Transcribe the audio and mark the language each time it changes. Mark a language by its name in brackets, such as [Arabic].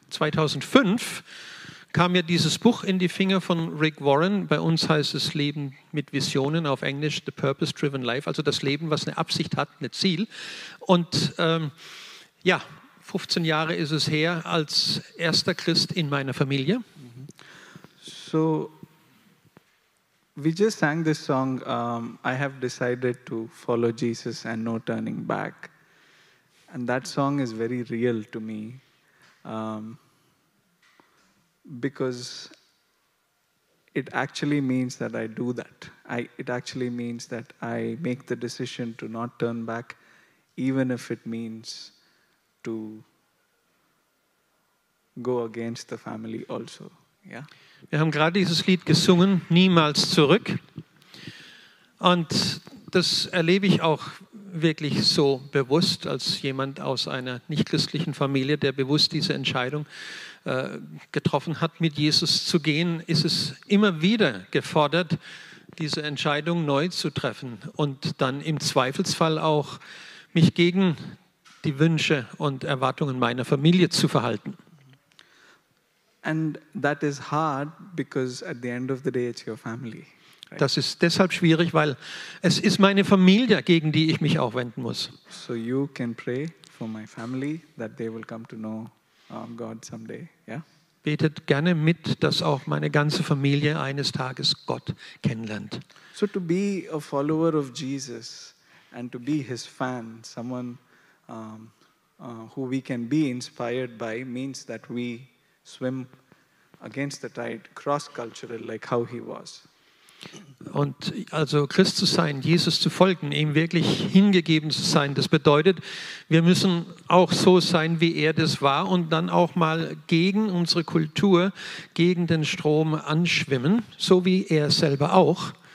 [German] 2005 kam mir dieses Buch in die Finger von Rick Warren. Bei uns heißt es Leben mit Visionen, auf Englisch The Purpose Driven Life, also das Leben, was eine Absicht hat, ein Ziel. Und 15 Jahre ist es her als erster Christ in meiner Familie. [English] So, we just sang this song, I have decided to follow Jesus and no turning back. And that song is very real to me. Because it actually means that I do that. It actually means that I make the decision to not turn back, even if it means to go against the family also. Yeah. [German] Wir haben gerade dieses Lied gesungen, Niemals zurück. Und das erlebe ich auch wirklich so bewusst als jemand aus einer nichtchristlichen Familie, der bewusst diese Entscheidung getroffen hat, mit Jesus zu gehen, ist es immer wieder gefordert, diese Entscheidung neu zu treffen und dann im Zweifelsfall auch mich gegen die Wünsche und Erwartungen meiner Familie zu verhalten. [English] And that is hard because at the end of the day it's your family. Right? [German] Das ist deshalb schwierig, weil es ist meine Familie, gegen die ich mich auch wenden muss. [English] So you can pray for my family that they will come to know God someday. Yeah? [German] Betet gerne mit, dass auch meine ganze Familie eines Tages Gott kennenlernt. [English] So to be a follower of Jesus and to be his fan, someone who we can be inspired by, means that we swim against the tide, cross-cultural, like how he was. [German] Und also Christ zu sein, Jesus zu folgen, ihm wirklich hingegeben zu sein, das bedeutet, wir müssen auch so sein, wie er das war und dann auch mal gegen unsere Kultur, gegen den Strom anschwimmen, so wie er selber auch.